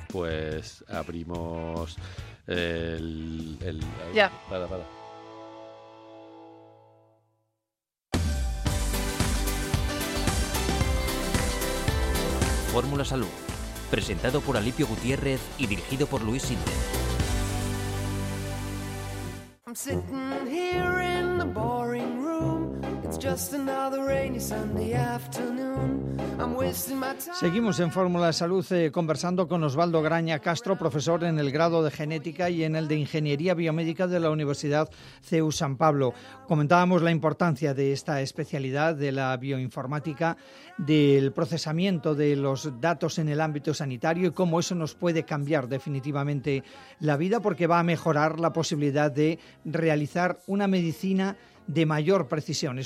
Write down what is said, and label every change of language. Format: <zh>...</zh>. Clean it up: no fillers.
<es>Pues abrimos el... Ya. Para. Fórmula Salud. Presentado por Alipio Gutiérrez y dirigido por Luis Sinde.</es> <en>I'm sitting here in the boring room. It's just another rainy Sunday afternoon. I'm wasting my time.</en> <es>Seguimos en Fórmula de Salud conversando con Osvaldo Graña Castro, profesor en el grado de Genética y en el de Ingeniería Biomédica de la Universidad CEU San Pablo. Comentábamos la importancia de esta especialidad de la bioinformática, del procesamiento de los datos en el ámbito sanitario y cómo eso nos puede cambiar definitivamente la vida, porque va a mejorar la posibilidad de realizar una medicina de mayor precisión.</es>